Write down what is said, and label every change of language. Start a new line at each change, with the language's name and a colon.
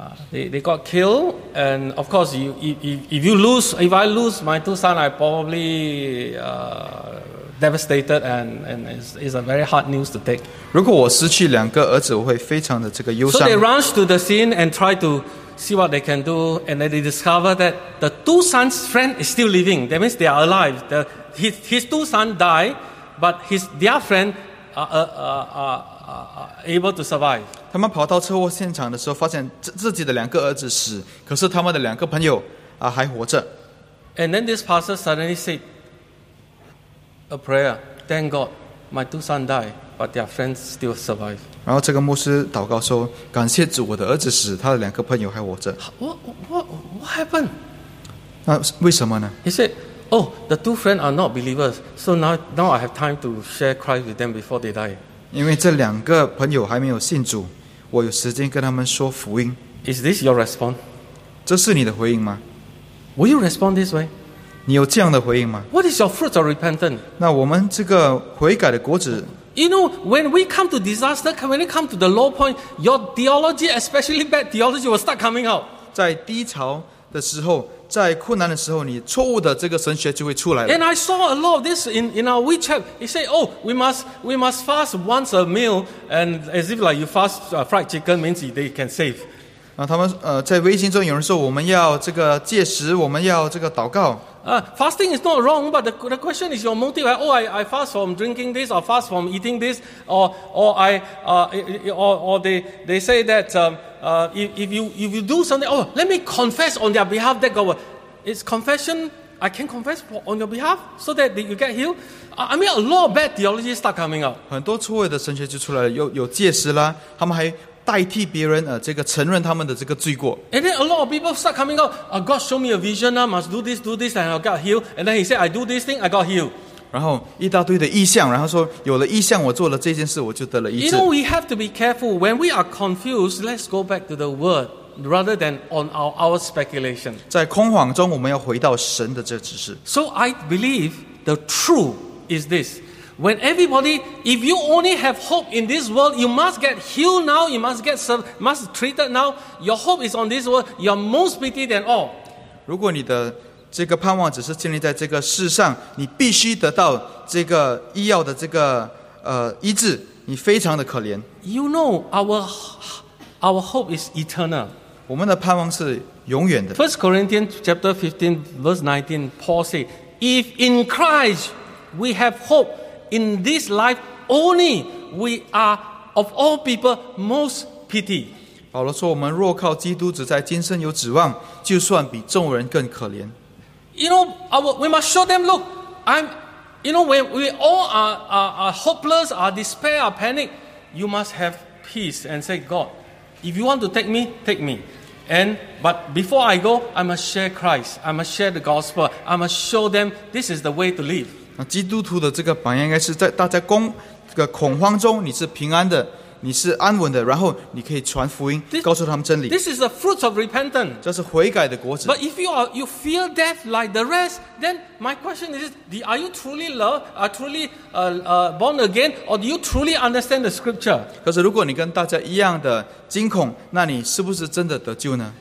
English: They got killed, and of course, if I lose my two sons, I probably devastated, and it's a very hard news to take.
Chinese: 如果我失去两个儿子，我会非常的这个忧伤。
English: So they rush to the scene and try to see what they can do, and then they discover that the two sons' friend is still living. That means they are alive. His two sons die, but their friend are able to survive.
Chinese: 他们跑到车祸现场的时候，发现自己的两个儿子死，可是他们的两个朋友还活着。
English: And then this pastor suddenly said a prayer. Thank God, my two sons died, but their friends still survive.
Chinese: 然后这个牧师祷告说：“感谢主，我的儿子死，他的两个朋友还活着。”
English: What happened?
Chinese: 那为什么呢？
English: He said, "Oh, the two friends are not believers, so now I have time to share Christ with them before they die."
Chinese: 因为这两个朋友还没有信主，我有时间跟他们说福音。
English: Is this your response?
Chinese: 这是你的回应吗？
English: Will you respond this way?
Chinese: 你有这样的回应吗？
English: What is your fruit of repentance?
Chinese: 那我们这个悔改的果子。
English: You know, when we come to disaster, when we come to the low point, your theology, especially bad theology, will start coming out.
Chinese: 在低潮的时候，在困难的时候，你错误的这个神学就会出来了。
English: And I saw a lot of this in our WeChat. He said, "Oh, we must fast once a meal, and as if like you fast fried chicken means they can save."
Chinese: 啊，他们在微信中有人说，我们要这个戒食，我们要这个祷告。
English: Fasting is not wrong, but the question is your motive. Oh, I fast from drinking this, or fast from eating this, or they say that if you do something, oh, let me confess on their behalf that God will. It's confession. I can confess on your behalf so that you get healed. I mean, a lot of bad theology start coming out.
Chinese: 很多错误的神学就出来了，有戒食啦，他们还代替别人这个承认他们的这个罪过。
English: And then a lot of people start coming out. God showed me a vision. I must do this, and I got healed. And then he said, I do this thing, I got healed.
Chinese: 然后一大堆的异象，然后说有了异象，我做了这件事，我就得了医治。
English: You know, we have to be careful when we are confused. Let's go back to the word rather than on our speculation.
Chinese: 在空谎中，我们要回到神的这指示。
English: So I believe the truth is this. When everybody, if you only have hope in this world, you must get healed now, you must get served, must treated now. Your hope is on this world. You are most pitied than all.
Chinese: 如果你的这个盼望只是建立在这个世上，你必须得到这个医药的这个医治，你非常的可怜。
English: You know, our hope is eternal.
Chinese: 我们的盼望是永远的。
English: First Corinthians chapter 15 verse 19, Paul said, "If in Christ we have hope." In this life, only we are of all people most pitied.
Chinese: 保罗说：“我们若靠基督，只在今生有指望，就算比众人更可怜。”
English: You know, we must show them. Look, I'm. You know, when we all are hopeless, are despair, are panic, you must have peace and say, God, if you want to take me, take me. And but before I go, I must share Christ. I must share the gospel. I must show them this is the way to live.
Chinese: 基督徒的这个榜样应该是在大家这个恐慌中，你是平安的，你是安稳的，然后你可以传福音，告诉他们真理。
English: This is the fruit of repentance.
Chinese: 这是悔改的果子。
English: But if you fear death like the rest, then my question is: Are you truly love? Are truly born again, or do you truly understand the scripture?
Chinese: 可是如果你跟大家一样的惊恐，那你是不是真的得救呢